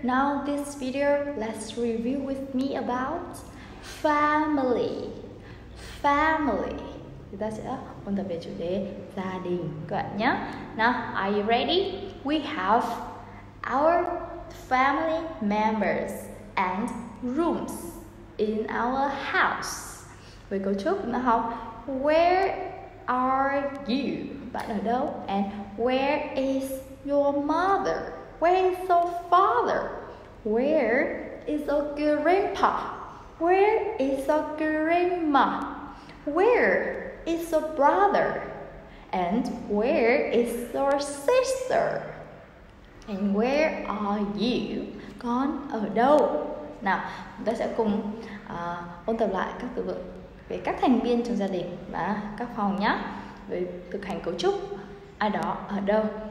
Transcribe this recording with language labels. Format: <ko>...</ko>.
<en>Now this video, let's review with me about family. Family.</en> <vi>Chúng ta sẽ ôn tập về chủ đề gia đình các bạn nhé.</vi> <en>Now, are you ready? We have our family members and rooms in our house.</en> <vi>Về cấu trúc chúng ta học</vi> <en>where are you?</en> <vi>Bạn ở đâu?</vi> <en>And where is your mother? Where is your father? Where is your grandpa? Where is your grandma? Where is your brother? And where is your sister? And where are you?</en> <vi>Con ở đâu? Nào, chúng ta sẽ cùng ôn tập lại các từ vựng về các thành viên trong gia đình và các phòng nhé. Với thực hành cấu trúc ai đó ở đâu.</vi>